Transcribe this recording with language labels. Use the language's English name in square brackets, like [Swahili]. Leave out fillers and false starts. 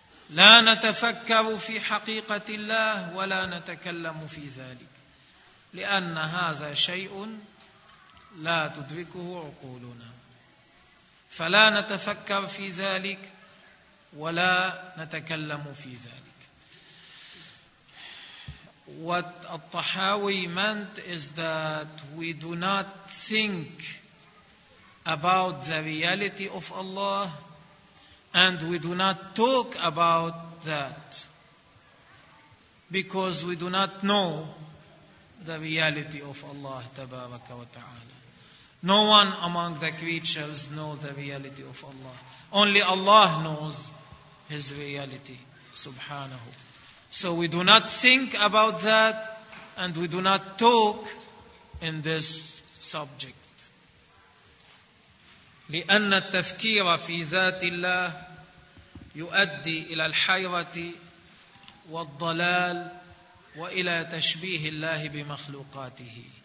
[Arabic] لا نتفكر في حقيقة الله ولا نتكلم في ذلك لأن هذا شيء لا تدركه عقولنا، فلا نتفكر في ذلك ولا نتكلم في ذلك. [English] What al-Tahawi meant is that we do not think about the reality of Allah and we do not talk about that because we do not know the reality of Allah [Arabic] تبارك وتعالى. [English] No one among the creatures knows the reality of Allah. Only Allah knows His reality, Subhanahu. So we do not think about that, and we do not talk in this subject. [Arabic] لأن التفكير في ذات الله يؤدي إلى الحيرة والضلال وإلى تشبيه الله بمخلوقاته.